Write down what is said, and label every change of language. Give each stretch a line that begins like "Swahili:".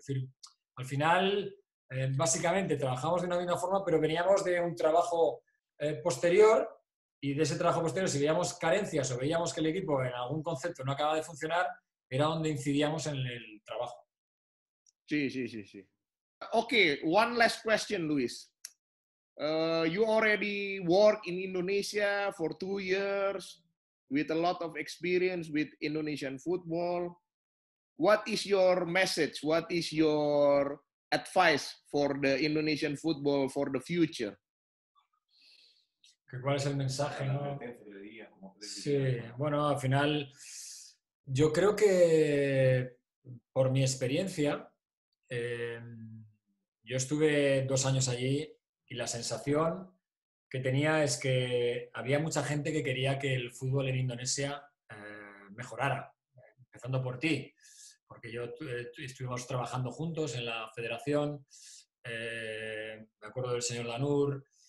Spanish: Es decir, al final, básicamente, trabajamos de una misma forma, pero veníamos de un trabajo posterior. Y de ese trabajo posterior, si veíamos carencias o veíamos que el equipo en algún concepto no acaba de funcionar, era donde incidíamos en el trabajo. Sí, sí, sí, sí.
English: Okay, one last question, Luis. You already work in Indonesia for 2 years with a lot of experience with Indonesian football. What is your message? What is your advice for the Indonesian football for the future?
Spanish: ¿Cuál es el mensaje, ¿no? Sí, bueno, al final yo creo que por mi experiencia yo estuve 2 años allí y la sensación que tenía es que había mucha gente que quería que el fútbol en Indonesia mejorara, empezando por ti, porque yo estuvimos trabajando juntos en la federación, me acuerdo del señor Danur.